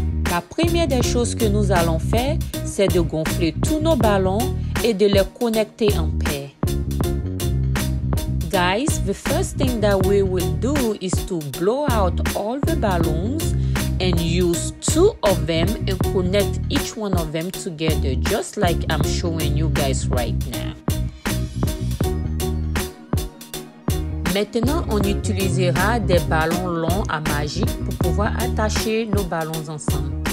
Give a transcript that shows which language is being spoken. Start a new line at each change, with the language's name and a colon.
French: La première des choses que nous allons faire, c'est de gonfler tous nos ballons et de les connecter en paire.
English: Guys, the first thing that we will do is to blow out all the balloons and use two of them and connect each one of them together, just like I'm showing you guys right now.
French: Maintenant, on utilisera des ballons longs à magie pour pouvoir attacher nos ballons ensemble.